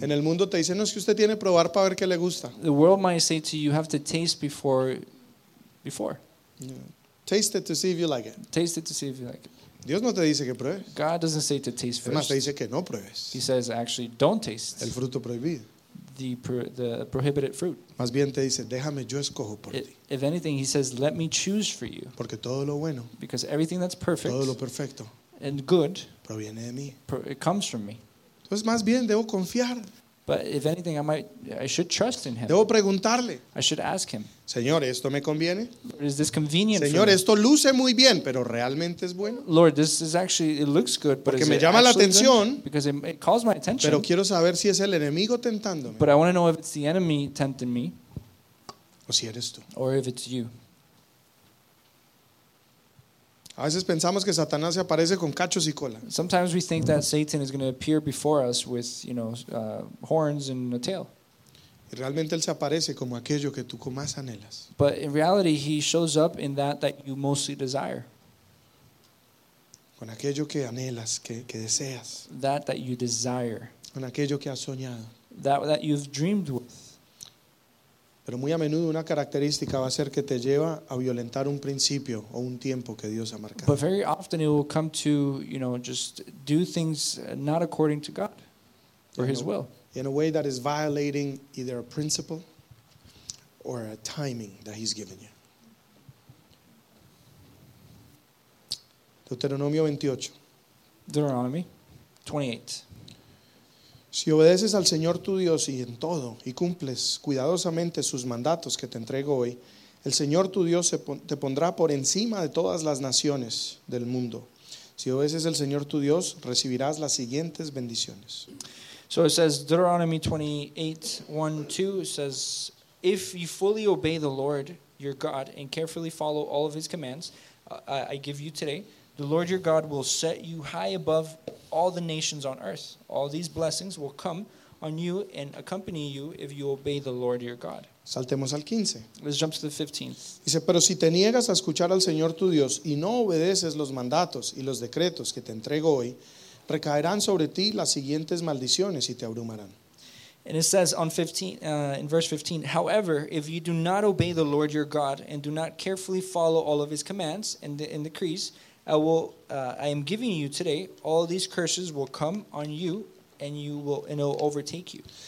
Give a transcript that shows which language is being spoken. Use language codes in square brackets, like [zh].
[es] En el mundo te dicen, no, es que usted tiene que probar para ver qué le gusta. [en] The world might say to you, you have to taste before. Yeah. Taste it to see if you like it. Taste it to see if you like it. [es] Dios no te dice que pruebes. [en] God doesn't say to taste first. [es] Además, te dice que no pruebes. [en] He says, actually, don't taste. [es] El fruto prohibido. [en] The prohibited fruit. [es] Más bien te dice, déjame yo escojo por ti. [en] If anything, he says, let me choose for you. [es] Porque todo lo bueno. [en] Because everything that's perfect. [es] Todo lo perfecto. [en] And good. [es] Proviene de mí. [en] It comes from me. [es] Entonces, más bien, debo confiar. [en] But if anything, I should trust in him. [es] Debo preguntarle. [en] I should ask him. [es] Señor, ¿esto me conviene? [en] Is this convenient [es] Señor, [en] for me? [es] Esto luce muy bien, pero ¿realmente es bueno? [en] Lord, this is actually, it looks good, [es] porque [en] but [es] me llama la atención. [en] Good? Because it calls my attention. [es] Pero quiero saber si es el enemigo tentándome. [en] But I want to know if it's the enemy tempting me. [es] O si eres tú. [en] Or if it's you. [es] A veces pensamos que Satanás se aparece con cachos y cola. [en] Sometimes we think that Satan is going to appear before us with, you know, horns and a tail. [es] Y realmente él se aparece como aquello que tú más anhelas. [en] But in reality, he shows up in that you mostly desire. [es] Con aquello que anhelas, que deseas. [en] That you desire. [es] Con aquello que has soñado. [en] That you've dreamed with. [es] Pero muy a menudo una característica va a ser que te lleva a violentar un principio o un tiempo que Dios ha marcado. [en] But very often it will come to, you know, just do things not according to God or His will. In a way that is violating either a principle or a timing that He's given you. [es] Deuteronomio 28. [en] Deuteronomy 28. [es] Si obedeces al Señor tu Dios y en todo, y cumples cuidadosamente sus mandatos que te entrego hoy, el Señor tu Dios te pondrá por encima de todas las naciones del mundo. Si obedeces al Señor tu Dios, recibirás las siguientes bendiciones. [en] So it says, Deuteronomy 28:1-2 says, if you fully obey the Lord your God and carefully follow all of His commands I give you today, the Lord your God will set you high above all the nations on earth. All these blessings will come on you and accompany you if you obey the Lord your God. [es] Saltemos al 15. [en] Let's jump to the 15th. [es] Dice, pero si te niegas a escuchar al Señor tu Dios y no obedeces los mandatos y los decretos que te entrego hoy, recaerán sobre ti las siguientes maldiciones y te abrumarán. [en] And it says in verse 15, however, if you do not obey the Lord your God and do not carefully follow all of His commands and decrees, I am giving you today, all these curses will come on you and it will overtake you.